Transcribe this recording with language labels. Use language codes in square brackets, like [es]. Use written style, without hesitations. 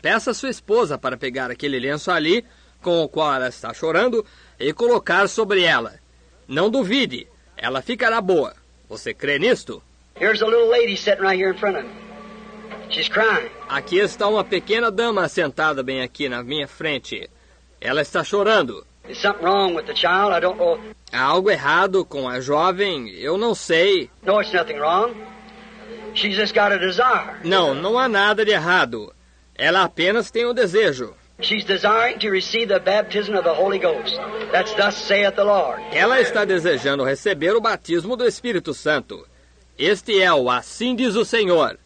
[pt] Peça a sua esposa para pegar aquele lenço ali, com o qual ela está chorando, e colocar sobre ela. Não duvide, ela ficará boa. Você crê nisto? [en] Here's a little lady sitting right here in front of me. She's crying. [pt] Aqui está uma pequena dama sentada bem aqui na minha frente. Ela está chorando. [en] Is something wrong with the child? I don't know. [pt] Há algo errado com a jovem? Eu não sei. [en] No, it's nothing wrong. She's just got a desire. [pt] Não, não há nada de errado. Ela apenas tem um desejo. [en] She's desiring to receive the baptism of the Holy Ghost. That's thus saith the Lord. [pt] Ela está desejando receber o batismo do Espírito Santo. Este é o assim diz o Senhor.